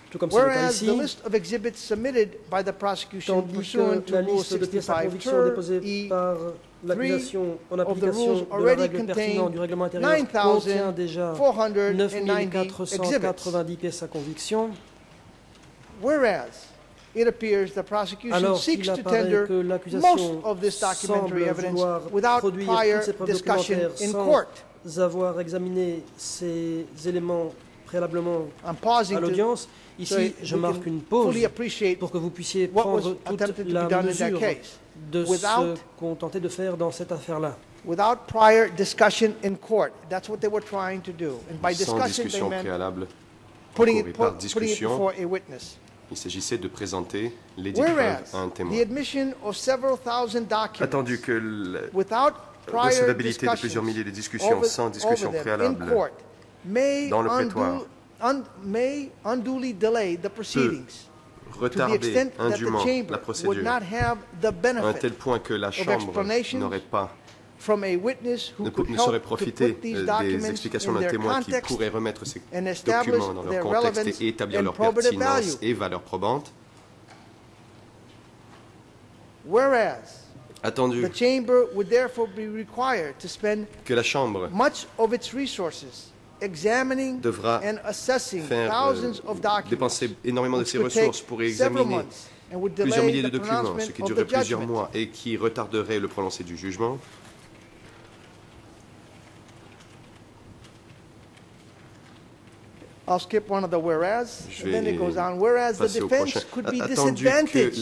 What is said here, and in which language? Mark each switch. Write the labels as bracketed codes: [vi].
[en] Whereas the list of exhibits submitted by the prosecution pursuant to Rule 65E3 of the rules already contained 9,490 exhibits. Whereas it appears the prosecution seeks to tender most of this documentary evidence without prior discussion in court. [fr] Sans avoir examiné ces éléments préalablement à l'audience. Ici, je marque une pause pour que vous puissiez prendre toute la mesure de ce qu'on tentait de faire dans cette affaire-là. [en] Without prior discussion in court, that's what they were trying to do. And by [fr] discussion préalable, [en] putting it before a witness. [fr] Il s'agissait de présenter les preuves à un témoin. [en] The admission of several thousand documents. [fr] Attendu que recevabilité de plusieurs milliers de discussions sans discussion préalable dans le prétoire. [en] May unduly delay the proceedings to the extent that the chamber would not have the benefit of explanations from a witness who could help to put these documents in their context and establish their relevance and probative value. Whereas [fr] attendu [en] the chamber would therefore be required to spend much of its resources examining and assessing thousands of documents, [fr] énormément de ses ressources pour examiner plusieurs milliers de documents, ce qui durerait plusieurs mois et qui retarderait le prononcé du jugement. [en] I'll skip one of the whereas, and then it goes on. Whereas the defense could be disadvantaged.